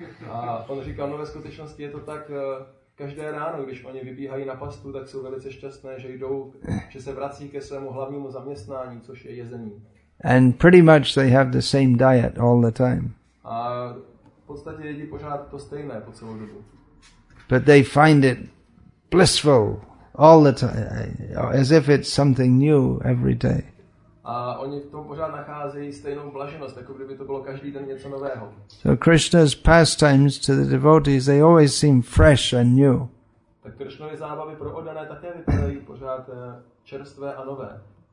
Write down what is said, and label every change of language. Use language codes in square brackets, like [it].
[cs] A on říkal, no ve skutečnosti je to tak, každé ráno, když oni vybíhají na pastu, tak jsou velice šťastné, že jdou, že se vrací ke svému hlavnímu zaměstnání, což je jezení. [en] And pretty much they have the same diet all the time. [cs] A v podstatě jedí pořád to stejné po celou dobu. [en] But they find it blissful all the time, as if it's something new every day. [cs] A oni v tom pořád nacházejí stejnou blaženost, jako kdyby to bylo každý den něco nového. [en] So Krishna's pastimes to the devotees, they always seem fresh and new. [cs] Tak Krishnovy zábavy pro oddané také vypadají pořád čerstvé a nové.